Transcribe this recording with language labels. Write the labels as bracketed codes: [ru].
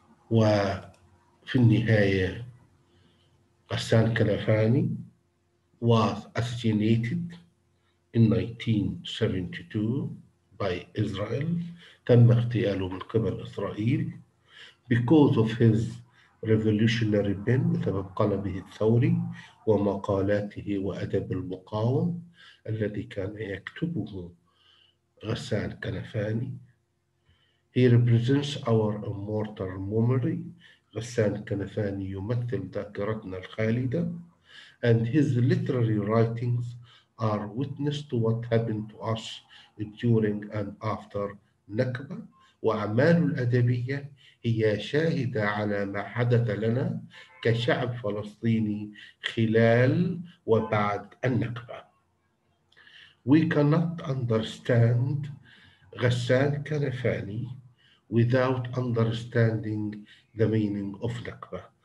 [ar] وفي النهاية غسان كنفاني [en] was assassinated in 1972 by Israel [ar] تم اغتياله من قبل إسرائيل [en] because of his revolutionary pen [ar] بسبب قلمه الثوري ومقالاته وأدب المقاوم الذي كان يكتبه غسان كنفاني. [en] He represents our immortal memory. [ar] غسان كنفاني يمثل ذاكرتنا الخالدة. [en] And his literary writings are witness to what happened to us during and after Nakba. [ar] وأعماله الأدبية هي شاهدة على ما حدث لنا كشعب فلسطيني خلال وبعد النكبة. [en] We cannot understand Ghassan Kanafani without understanding the meaning of Nakba.